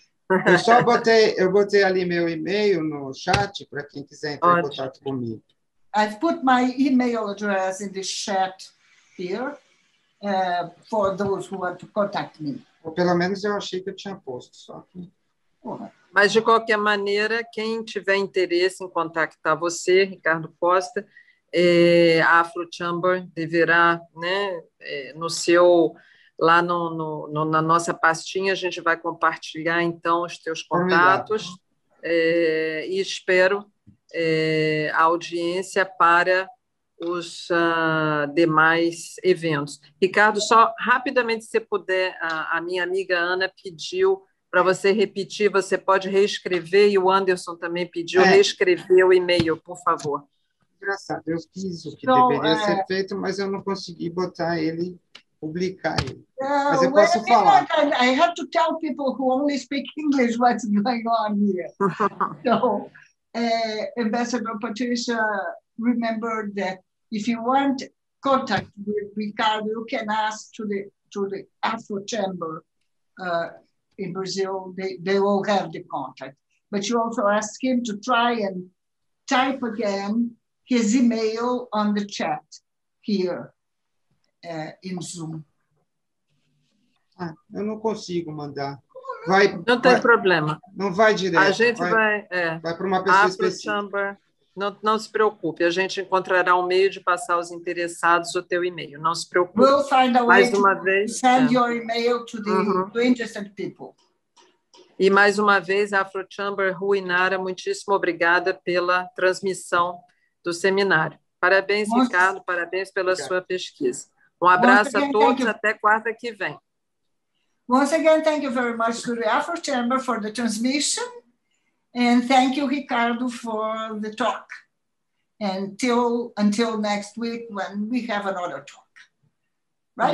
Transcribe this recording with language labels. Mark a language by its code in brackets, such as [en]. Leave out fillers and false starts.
[pt] Eu botei ali meu e-mail no chat para quem quiser entrar em contato comigo. [en] I've put my email address in the chat here. for those who want to contact me. [pt] Ou pelo menos eu achei que eu tinha posto, só que... Mas, de qualquer maneira, quem tiver interesse em contactar você, Ricardo Costa, é, a Afro Chamber deverá, né, é, no seu, lá no, no, no, na nossa pastinha, a gente vai compartilhar, então, os teus contatos. É, e espero a audiência para os demais eventos. Ricardo, só rapidamente, se puder, a minha amiga Ana pediu para você repetir, você pode reescrever, e o Anderson também pediu reescrever o e-mail, por favor. Engraçado, eu fiz o que então, deveria ser feito, mas eu não consegui botar ele, publicar ele. Mas eu posso falar. [en] I have to tell people who only speak English what's going on here. So, Ambassador Patricia, remember that if you want contact with Ricardo, you can ask to the Afro Chamber in Brazil, they will have the contact. But you also ask him to try and type again his email on the chat here in Zoom. [pt] Ah, eu não consigo mandar. Vai, não tem problema. Não vai direto. A gente vai, vai para uma pessoa específica. Chamber, não se preocupe, a gente encontrará um meio de passar aos interessados o teu e-mail. Não se preocupe. [en] We'll find a [pt] mais [en] way [pt] uma [en] to [pt] vez. [en] Send your email to the to interested people. [pt] E mais uma vez, Afro Chamber, Rui Nara, muitíssimo obrigada pela transmissão do seminário. Parabéns, Ricardo, parabéns pela sua pesquisa. Um abraço a todos, até quarta que vem. [en] Once again, thank you very much to the Afro Chamber for the transmission. And thank you, Ricardo, for the talk. And until next week when we have another talk. Right?